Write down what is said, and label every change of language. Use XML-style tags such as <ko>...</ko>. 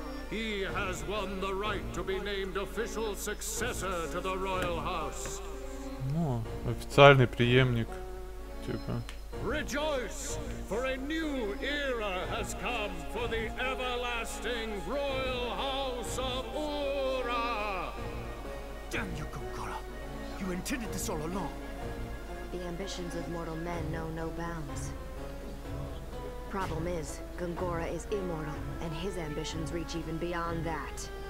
<en>He has won the right to be named official successor to the royal house.</en> <ru>Ну, официальный преемник, типа.</ru> <en>Rejoice, for a new era has come for the everlasting royal house of Ura. Damn you, Gongora. You intended this all along. The ambitions of mortal men know no bounds. Problem is, Gongora is immortal, and his ambitions reach even beyond that.</en>